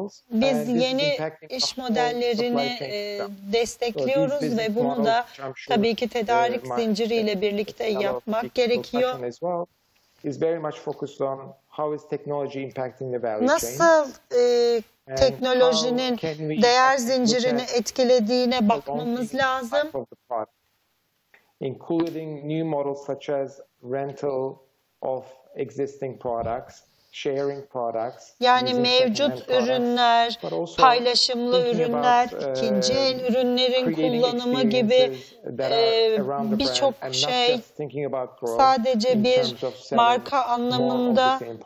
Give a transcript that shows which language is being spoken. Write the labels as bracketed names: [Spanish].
[Turkish] Biz yeni iş modellerini destekliyoruz ve bunu da tabii ki tedarik zinciriyle birlikte yapmak gerekiyor. [English] Is very much focused on how is technology impacting the value chain. [Turkish] Nasıl teknolojinin değer zincirini etkilediğine bakmamız lazım. [English] Including new models such as rental of existing products, sharing products. [Turkish] Yani mevcut ürünler, paylaşımlı ürünler, ikinci el ürünlerin kullanımı gibi birçok şey sadece bir marka anlamında.